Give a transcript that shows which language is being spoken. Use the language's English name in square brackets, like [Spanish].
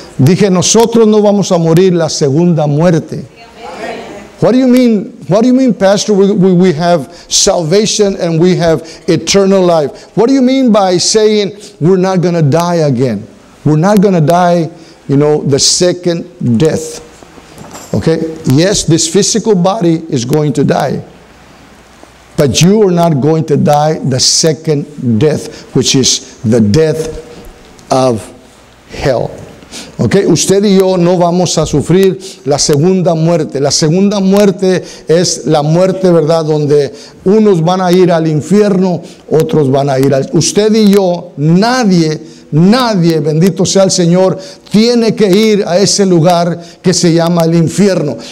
[Spanish] Dije, nosotros no vamos a morir la segunda muerte. [English] What do you mean, Pastor? We have salvation and we have eternal life. What do you mean by saying we're not going to die again? We're not going to die, the second death. Okay, yes, this physical body is going to die, but you are not going to die the second death, which is the death of hell. [Spanish] Okay, usted y yo no vamos a sufrir la segunda muerte. La segunda muerte es la muerte, ¿verdad?, donde unos van a ir al infierno, otros van a ir al... Usted y yo, nadie, bendito sea el Señor, tiene que ir a ese lugar que se llama el infierno.